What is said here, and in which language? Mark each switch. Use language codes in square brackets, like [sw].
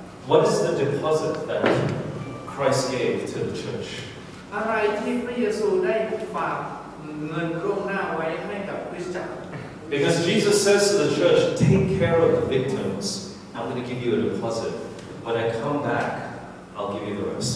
[en] What is the deposit that Christ gave to the church? [th] อะไรที่พระเยซูได้ฝากเงินล่วงหน้าไว้ให้กับคริสตจักร [en] Because Jesus says to the church, take care of the victims. I'm going to give you a deposit. When I come back, I'll give you the rest.